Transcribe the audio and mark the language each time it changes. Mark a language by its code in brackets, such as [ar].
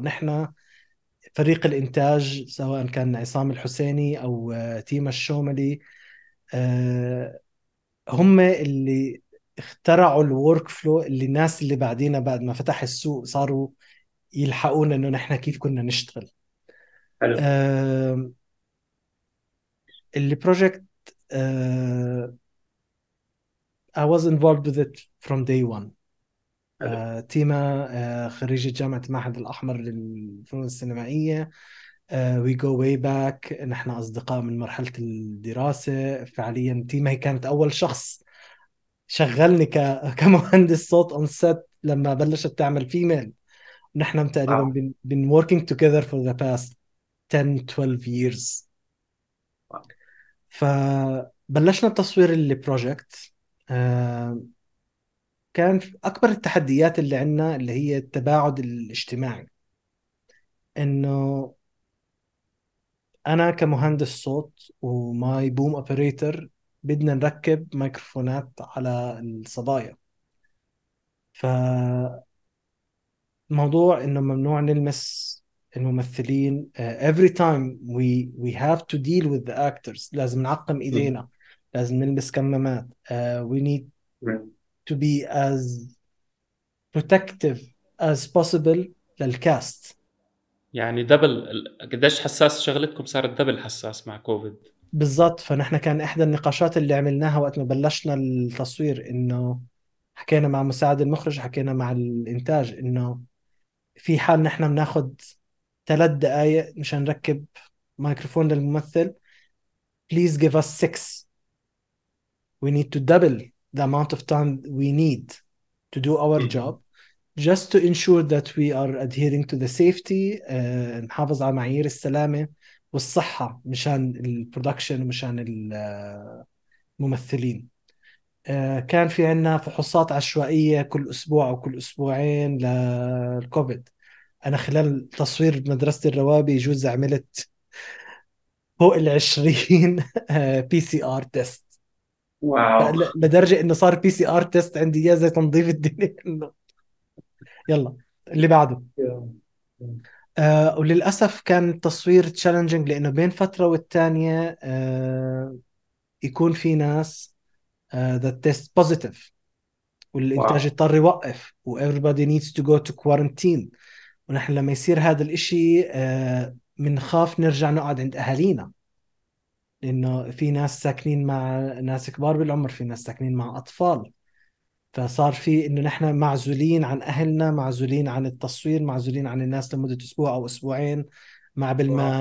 [ar] نحن فريق الإنتاج سواء كان عصام الحسيني أو تيما الشوملي هم اللي اخترعوا الورك فلو اللي الناس اللي بعدينا بعد ما فتح السوق صاروا يلحقونا انه نحن كيف كنا نشتغل. حلو. [en] البروجكت I was involved with it from day one. [ar] حلو. تيما خريجة جامعة المعهد الأحمر للفنون السينمائية. [en] We go way back. [ar] نحن أصدقاء من مرحلة الدراسة. فعليا تيما هي كانت أول شخص شغلني كمهندس صوت [en] on set [ar] لما بلشت تعمل فيميل، ونحن تقريبا واو. [en] been working together for the past 10-12 years. [ar] فبلشنا تصوير البروجكت. كان أكبر التحديات اللي عندنا اللي هي التباعد الاجتماعي، إنه أنا كمهندس صوت وماي بوم أوبريتر بدنا نركب مايكروفونات على الصبايا، فموضوع إنه ممنوع نلمس الممثلين. [en] Every time we have to deal with the actors، [ar] لازم نعقم إيدينا، لازم نلبس كمامات. [en] We need to be as protective as possible للكاست. [ar] يعني دبل قديش حساس شغلتكم، صارت دبل حساس مع كوفيد. بالضبط. فنحن كان إحدى النقاشات اللي عملناها وقت ما بلشنا التصوير، إنه حكينا مع مساعد المخرج، حكينا مع الإنتاج، إنه في حال نحن بناخد 3 دقائق مشان نركب مايكروفون للممثل، [en] please give us 6. We need to double the amount of time we need to do our job just to ensure that we are adhering to the safety. [ar] نحافظ على معايير السلامة والصحة مشان البرودكشن ومشان الممثلين. كان في عنا فحوصات عشوائية كل أسبوع أو كل أسبوعين للكوفيد. أنا خلال تصوير مدرسة الروابي يجوز عملت فوق 20 PCR تيست. واو لدرجة إنه صار بي سي آر تيست عندي إياه زي تنظيف الدنيا. يلا اللي بعده. وللأسف كان التصوير تشالنجينج، لأنه بين فترة والتانية يكون في ناس [en] that test positive [ar] والإنتاج واو اضطر يوقف و [en] everybody needs to go to quarantine. [ar] ونحن لما يصير هذا الإشي منخاف نرجع نقعد عند أهالينا، لأنه في ناس ساكنين مع ناس كبار بالعمر، في ناس ساكنين مع أطفال، فصار في إنه نحن معزولين عن أهلنا، معزولين عن التصوير، معزولين عن الناس لمدة أسبوع أو أسبوعين، مع بال ما